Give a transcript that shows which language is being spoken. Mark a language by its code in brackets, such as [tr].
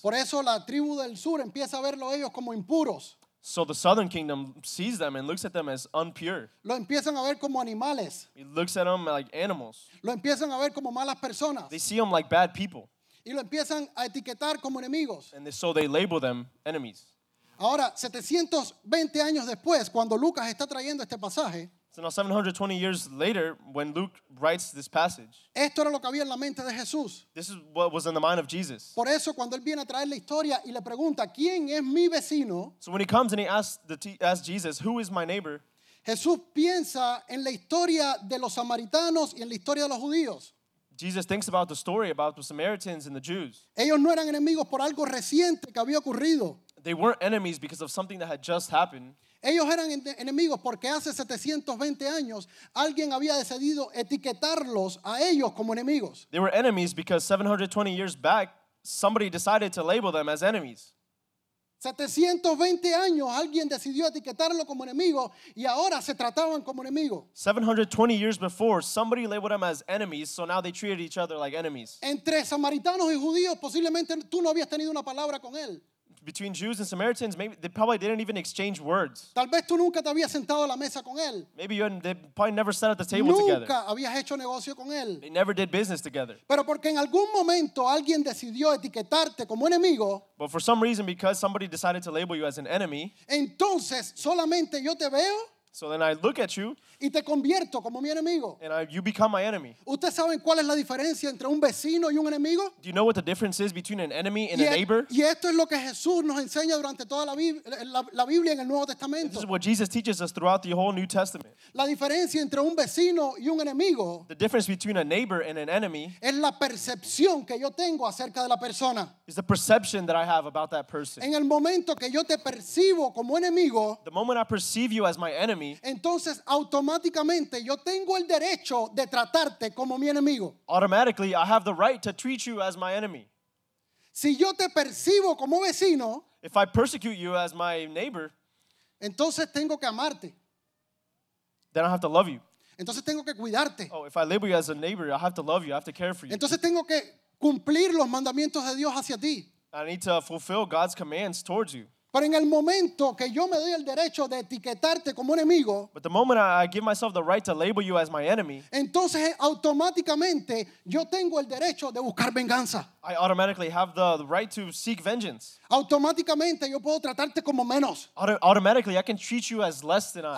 [es] Por eso la tribu del sur empieza a verlo ellos como impuros. [en] So the southern kingdom sees them and looks at them as impure. [es] Lo empiezan a ver como animales. [en] It looks at them like animals. [es] Lo empiezan a ver como malas personas. [en] They see them like bad people. [es] Y lo empiezan a etiquetar como enemigos. [en] And so they label them enemies. [es] Ahora, 720 años después, cuando Lucas está trayendo este pasaje, [en] so now 720 years later, when Luke writes this passage, [es] esto era lo que había en la mente de Jesús. [en] This is what was in the mind of Jesus. [es] Por eso, cuando él viene a traer la historia y le pregunta, ¿quién es mi vecino? [en] So when he comes and he asks Jesus, who is my neighbor? [es] Jesús piensa en la historia de los samaritanos y en la historia de los judíos. [en] Jesus thinks about the story about the Samaritans and the Jews. [es] Ellos no eran enemigos por algo reciente que había ocurrido. [en] They weren't enemies because of something that had just happened. [es] Ellos eran enemigos porque hace 720 años alguien había decidido etiquetarlos a ellos como enemigos. [en] They were enemies because 720 years back somebody decided to label them as enemies. [es] 720 años alguien decidió etiquetarlo como enemigo y ahora se trataban como enemigos. [en] 720 years before somebody labeled them as enemies, so now they treated each other like enemies. [es] Entre samaritanos y judíos posiblemente tú no habías tenido una palabra con él. [en] Between Jews and Samaritans, maybe they probably didn't even exchange words. [es] Tal vez tú nunca te habías sentado a la mesa con él. [en] Maybe you hadn't, they probably never sat at the table [es] nunca [en] together. [es] Nunca habías hecho negocio con él. [en] They never did business together. [es] Pero porque en algún momento alguien decidió etiquetarte como enemigo. [en] But for some reason, because somebody decided to label you as an enemy. [es] Entonces solamente yo te veo. [en] So then I look at you. [es] Y te convierto como mi enemigo. [en] And you become my enemy. [es] ¿Ustedes saben cuál es la diferencia entre un vecino y un enemigo? [en] Do you know what the difference is between an enemy and a neighbor? [es] Y esto es lo que Jesús nos enseña durante toda la Biblia en el Nuevo Testamento. [en] This is what Jesus teaches us throughout the whole New Testament. [es] La diferencia entre un vecino y un enemigo. [en] The difference between a neighbor and an enemy. [es] Es la percepción que yo tengo acerca de la persona. [en] Is the perception that I have about that person. [es] En el momento que yo te percibo como enemigo. [en] The moment I perceive you as my enemy. [es] Entonces automáticamente yo tengo el derecho de tratarte como mi enemigo. [en] Automatically, I have the right to treat you as my enemy. [es] Si yo te percibo como vecino, [en] if I persecute you as my neighbor, [es] entonces tengo que amarte. [en] Then I have to love you. [es] Entonces tengo que cuidarte. [en] Oh, if I label you as a neighbor, I have to love you, I have to care for you. [es] Entonces tengo que cumplir los mandamientos de Dios hacia ti. [en] I need to fulfill God's commands towards you. [es] Pero en el momento que yo me doy el derecho de etiquetarte como enemigo, [en] but the moment I give myself the right to label you as my enemy, [es] entonces automáticamente yo tengo el derecho de buscar venganza. [en] I automatically have the right to seek vengeance. [es] Automáticamente yo puedo tratarte como menos. [en] Automatically I can treat you as less than I.